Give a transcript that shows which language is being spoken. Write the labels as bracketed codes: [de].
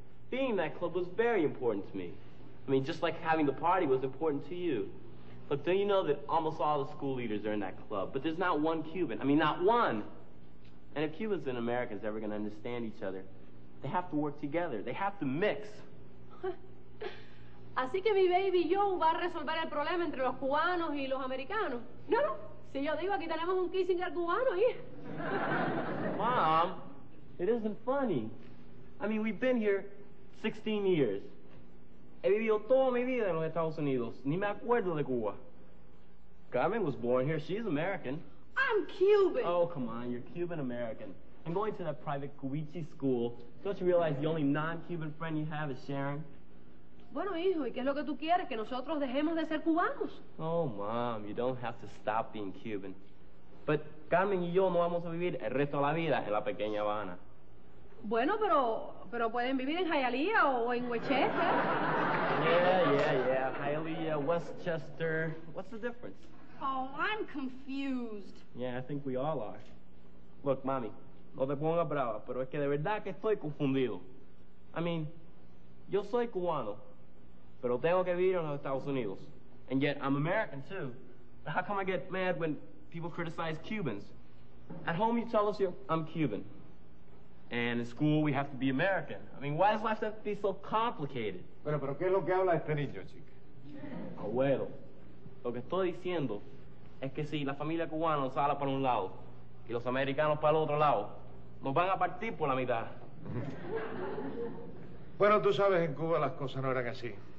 [en] Being in that club was very important to me. I mean, just like having the party was important to you. Look, don't you know that almost all the school leaders are in that club? But there's not one Cuban. I mean, not one. And if Cubans and Americans are ever going to understand each other, they have to work together. They have to mix. [es] Así que mi baby Joe va a resolver el problema entre los cubanos y los americanos. No, no. Si yo digo, aquí tenemos un Kissinger cubano ahí. [en] Mom, it isn't funny. I mean, we've been here 16 years. [es] He vivido toda mi vida en los Estados Unidos. Ni me acuerdo de Cuba. [en] Carmen was born here. She's American. I'm Cuban. Oh, come on. You're Cuban-American. I'm going to that private Cuichi school. Don't you realize the only non-Cuban friend you have is Sharon? [es] Bueno, hijo, ¿y qué es lo que tú quieres? ¿Que nosotros dejemos de ser cubanos? [en] Oh, Mom, you don't have to stop being Cuban. [es] But Carmen y yo no vamos a vivir el resto de la vida en la pequeña Habana. Bueno, pero pueden vivir en Hialeah o en Westchester. [en] Yeah. Hialeah, Westchester. What's the difference? Oh, I'm confused. Yeah, I think we all are. Look, Mommy, [es] no te pongas brava, pero es que de verdad que estoy confundido. [en] I mean, [es] yo soy cubano, pero tengo que vivir en los Estados Unidos. [en] And yet, I'm American, too. How come I get mad when people criticize Cubans. At home, you tell us I'm Cuban. And in school, we have to be American. I mean, why does life have to be so complicated? [es] Pero ¿qué es lo que habla este niño, chico? Abuelo, lo que estoy diciendo es que si la familia cubana nos habla para un lado y los americanos para el otro lado, nos van a partir por la mitad. Bueno, tú sabes, en Cuba las cosas no eran así.